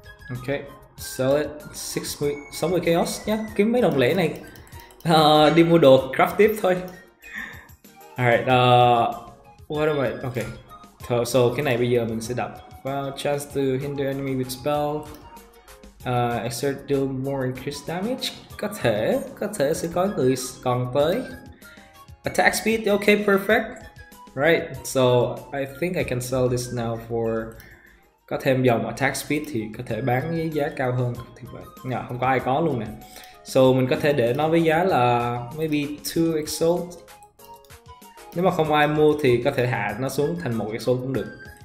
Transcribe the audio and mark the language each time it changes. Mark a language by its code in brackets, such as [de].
[en] Ok, sell it, 60 chaos nhá. [vi] Kiếm mấy đồng lẻ này đi mua đồ craft tiếp thôi. [en] Alright, what am I? Okay, [vi] so cái này bây giờ mình sẽ đập. [en] Well, chance to hinder enemy with spell, exert deal more increased damage. [vi] Có thể sẽ có người còn tới. [en] Attack speed, okay, perfect. Right, so I think I can sell this now for, [vi] có thêm dòng attack speed thì có thể bán với giá cao hơn. Thì vậy, nhờ không có ai có luôn nè. So mình có thể để nó với giá là maybe 2 exalt. Nếu mà không ai mua thì có thể hạ nó xuống thành 1 exalt cũng được.